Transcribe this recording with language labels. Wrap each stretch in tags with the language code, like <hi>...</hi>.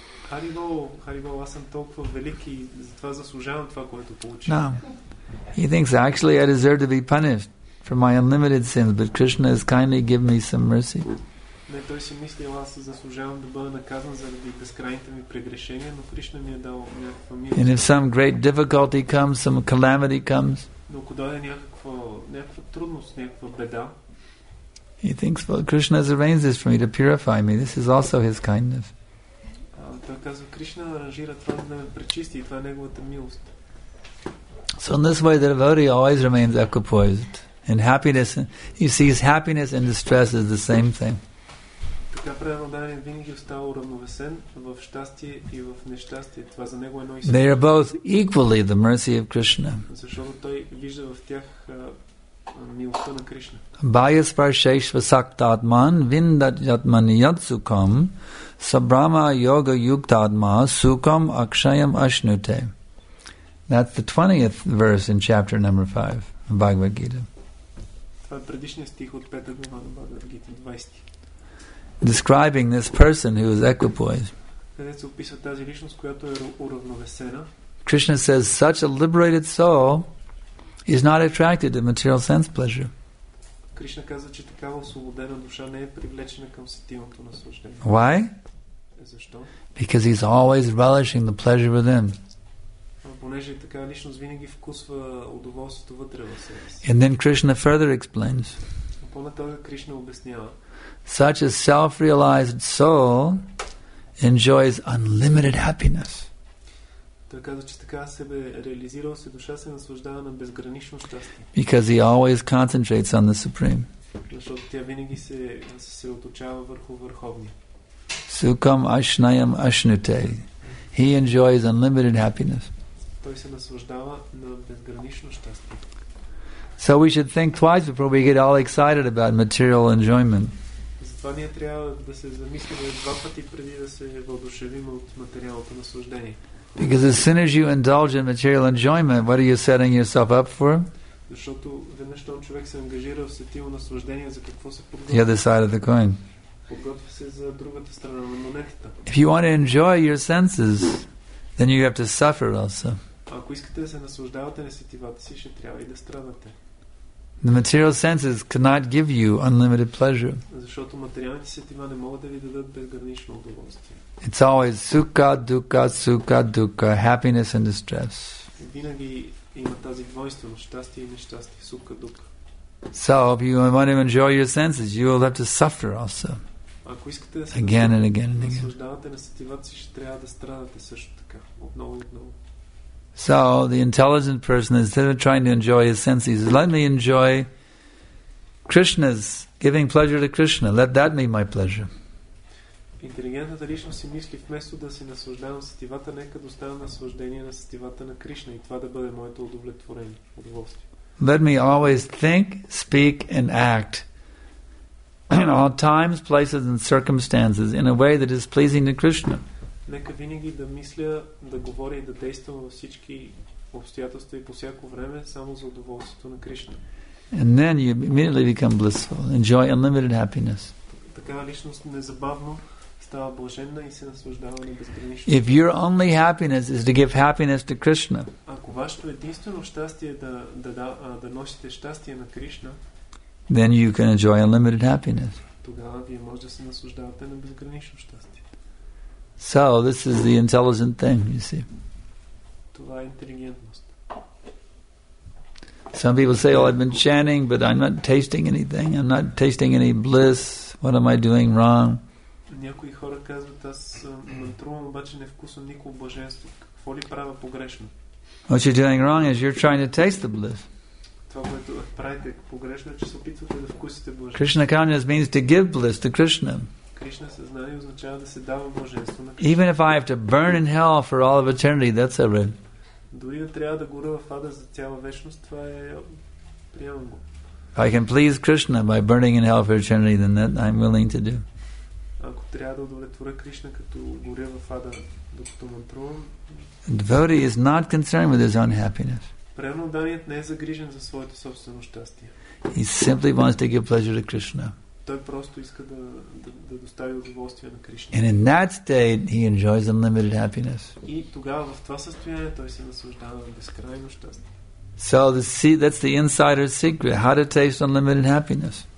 <bg>Haribol, аз съм толкова велик и затова заслужавам това, което получих.</bg> <en>No. He thinks actually I deserve to be punished for my unlimited sins, but Krishna has kindly given me some mercy.</en> <bg>Не, той си мисли, аз заслужавам да бъда наказан заради безкрайните ми прегрешения, но Кришна ми е дал някаква милост.</bg> <en>And if some great difficulty comes, some calamity comes.</en> <bg>Но ако дойде някаква трудност, някаква беда,</bg> <en>he thinks, well, Krishna has arranged this for me to purify me. This is also his kindness.</en> <bg>Той казва, Кришна аранжира това да ме пречисти и това е неговата милост.</bg> <en>So in this way, the devotee always remains equipoised. And happiness, he sees happiness and distress as the same thing.</en> <bg>Така преданият винаги остава уравновесен в щастие и в нещастие. Това за него е едно и също.</bg> <en>They are both equally the mercy of Krishna.</en> <bg>Защото той вижда в тях милостта на Кришна.</bg> <sa>Bhayas parsheshva saktatman vindat yatmani yatsukam sabrahma yoga yuktatma sukam akshayam ashnute.</sa> <en>That's the 20th verse in chapter number 5 of Bhagavad Gita.</en> <bg>Това е предишният стих от 5-та глава на Бхагавад Гита, 20.</bg> <en>Describing this person who is equipoised.</en> <bg>Където се описва тази личност, която е уравновесена.</bg> <en>Krishna says such a liberated soul is not attracted to material sense pleasure.</en> <bg>Krishna казва, че такава освободена душа не е привлечена към сетивното наслаждение.</bg> <en>Why?</en> <bg>Защо?</bg> <en>Because he's always relishing the pleasure within.</en> <bg>Понеже така личност винаги вкусва удоволствието вътре в себе си.</bg> <en>And then Krishna further explains.</en> <bg>По-нататък Кришна обяснява.</bg> <en>Such a self-realized soul enjoys unlimited happiness.</en> <bg>Той казва, че така себе реализирал се душа се наслаждава на безгранично щастие.</bg> <en>Because he always concentrates on the supreme.</en> <bg>Защото тя винаги се съсредоточава върху върховния.</bg> <sa>Sukham ashnayam ashnute.</sa> <en>He enjoys unlimited happiness.</en> <bg>Той се наслаждава на безгранично щастие.</bg> <en>So we should think twice before we get all excited about material enjoyment.</en> <bg>Затова ние трябва да се замислиме два пъти преди да се въодушевим от материалното наслаждение.</bg> <en>Because as soon as you indulge in material enjoyment, what are you setting yourself up for?</en> <bg>Защото веднъж този човек се ангажира в сетивно наслаждение, за какво се подготвя?</bg> <en>The other side of the coin.</en> <bg>Подготвя се за другата страна на монетата.</bg> <en>If you want to enjoy your senses, then you have to suffer also.</en> <bg>Ако искате да се наслаждавате на сетивата си, ще трябва и да страдате.</bg> <en>The material senses cannot give you unlimited pleasure.</en> <bg>Защото материалните сетива не могат да ви дадат безгранично удоволствие.</bg> <en>It's always sukha, dukkha, sukha, dukkha, happiness and distress.</en> <bg>Винаги има тази двойственост, щастие и нещастие, сукха, дукха.</bg> <en>So if you want to enjoy your senses, you will have to suffer also.</en> <bg>Ако искате да се</bg> <en>again and again and again.</en> <bg>Наслаждавате на сетивата си, ще трябва да страдате също така, отново и отново.</bg> <en>So the intelligent person, instead of trying to enjoy his senses, let me enjoy Krishna's giving pleasure to Krishna. Let that be my pleasure.</en> <bg>Интелигентната личност си мисли, вместо да се наслаждавам сетивата, нека да оставя наслаждение на сетивата на Кришна и това да бъде моето удовлетворение, удоволствие.</bg> <en>Let me always think, speak and act in all times, places and circumstances in a way that is pleasing to Krishna.</en> <bg>Нека винаги да мисля, да говоря и да действам във всички обстоятелства и по всяко време само за удоволствието на Кришна.</bg> <en>And then you immediately become blissful, enjoy unlimited happiness.</en> <bg>Такава личност незабавно става блаженна и се наслаждава на безгранично.</bg> <en>If your only happiness is to give happiness to Krishna.</en> <bg>Ако вашето единствено щастие е да носите щастие на Кришна,</bg> <en>then you can enjoy unlimited happiness.</en> <bg>Тогава вие може да се наслаждавате на безгранично щастие.</bg> <en>So this is the intelligent thing, you see.</en> <bg>Това е интелигентност.</bg> <en>Some people say, "Oh, I've been chanting, but I'm not tasting anything. I'm not tasting any bliss. What am I doing wrong?"</en> <bg>Някои хора казват, аз мантрувам, обаче не вкусвам никакво блаженство. Какво ли правя погрешно?</bg> <en>What you're doing wrong is you're trying to taste the bliss.</en> <bg>Това, което правите погрешно, че се опитвате да вкусите блаженство.</bg> <en>Krishna consciousness means to give bliss to Krishna.</en> <bg>Кришна съзнание означава да се дава блаженство на Кришна.</bg> <en>Even if I have to burn in hell for all of eternity, that's alright.</en> <bg>Дори да трябва да горя в ада за цяла вечност, това е приемам го.</bg> <en>If I can please Krishna by burning in hell for eternity, then that I'm willing to do.</en> <bg>Ако трябва да удовлетворя Кришна като горя в ада докато мантрувам.</bg> <en>Devotee is not concerned with his own happiness.</en> <bg>Преданият не е загрижен за своето собствено щастие.</bg> <en>He simply wants to give pleasure to Krishna.</en> <bg>Той просто иска да достави удоволствие на Кришна.</bg> <en>And in that state, he enjoys unlimited happiness.</en> <bg>И тогава в това състояние той се наслаждава на безкрайно щастие.</bg> <en>So that's the insider's secret, how to taste unlimited happiness.</en>